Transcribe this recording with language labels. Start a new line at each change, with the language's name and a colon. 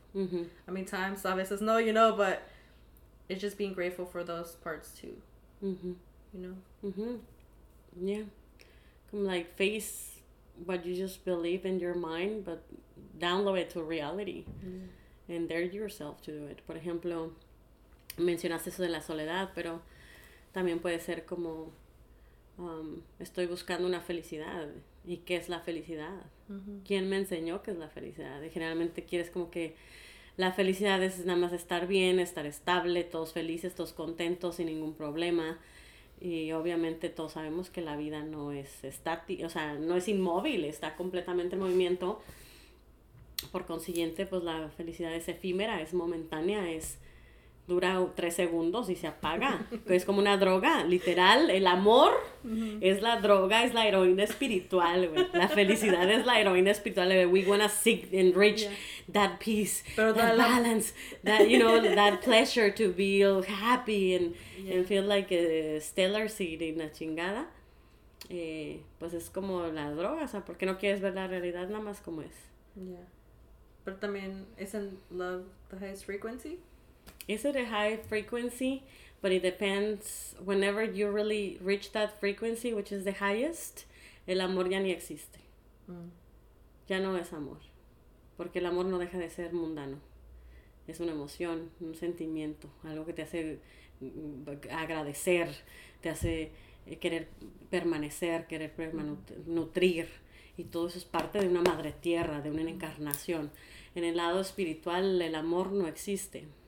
English: Mm-hmm. I mean, times,
Spanish: a veces no,
English: you know, but it's just being grateful for those parts too. Mm-hmm. You know? Mm-hmm. Yeah. Come, like, face what you just believe in your mind, but download it to reality. Mm-hmm. And dare yourself to do it.
Spanish: Por ejemplo, mencionaste eso de la soledad, pero también puede ser como, estoy buscando una felicidad. ¿Y qué es la felicidad? Mm-hmm. ¿Quién me enseñó qué es la felicidad? Y generalmente quieres como que, la felicidad es nada más estar bien, estar estable, todos felices, todos contentos, sin ningún problema. Y obviamente todos sabemos que la vida no es estática, o sea, no es inmóvil, está completamente en movimiento. Por consiguiente, pues la felicidad es efímera, es momentánea, dura 3 segundos y se apaga. Es como una droga, literal. El amor es la droga, es la heroína espiritual, güey. La felicidad es la heroína espiritual.
English: We wanna seek, enrich that peace, balance, that, you know, that pleasure to feel happy and feel like a stellar seed in
Spanish: la chingada. Pues es como la droga, o sea, porque no quieres ver la realidad nada más como es.
English: Yeah.
Spanish: Pero también,
English: ¿isn't love the highest frequency? Is it a high frequency? But it depends. Whenever you really reach that frequency, which is the highest,
Spanish: el amor ya ni existe. Mm. Ya no es amor. Porque el amor no deja de ser mundano. Es una emoción, un sentimiento, algo que te hace agradecer, te hace querer permanecer, querer nutrir. y todo eso es parte de una madre tierra, de una encarnación. En el lado espiritual, el amor no existe.